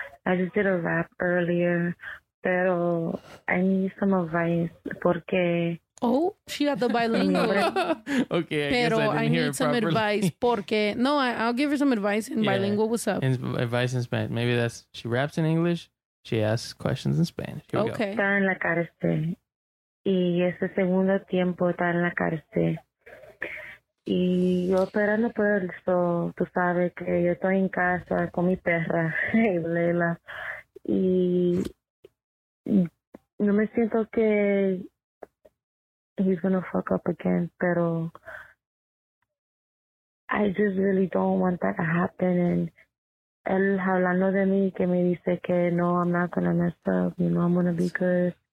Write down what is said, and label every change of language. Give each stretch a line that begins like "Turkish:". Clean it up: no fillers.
English: I just did a rap earlier,
Spanish: pero
English: I need some advice
Spanish: porque.
English: Oh, she got the bilingual. Okay, I need some advice
Spanish: porque.
English: No, I'll give her some advice in bilingual. What's up? Advice in Spanish. Maybe that's, she raps in English. She asks questions in Spanish. Here okay.
Spanish: Está en la cárcel. Y ese segundo tiempo está en la cárcel. Y yo esperando por el sol, tú sabes que yo estoy en casa con mi perra, Leila. Y no me siento que
English: he's going to fuck up again,
Spanish: pero
English: I just really don't want that to happen. And
Spanish: él hablando de mí, que me dice que no,
English: I'm not going to mess up, you know, I'm going to be good.